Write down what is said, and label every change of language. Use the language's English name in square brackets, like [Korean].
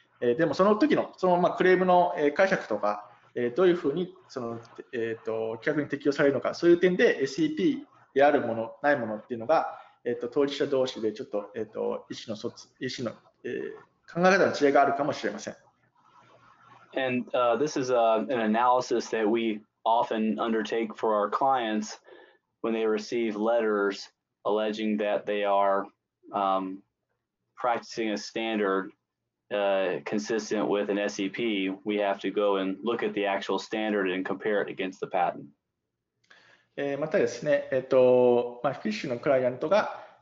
[Japanese] でもその時の、クレームの、解釈とか、どういうふうにその、規格に適用されるのか、そういう点で SEP であるもの、ないものっていうのが、当事者同士でちょっと、意思の疎通、意思の、考え方の違いがあるかもしれません。 [English] And, this is an analysis that weoften undertake for our clients when they receive letters alleging that they are practicing a standard consistent with an SEP. We have to go and look at the actual standard and compare it against the patent. [Japanese] またですね、フィッシュのクライアントが、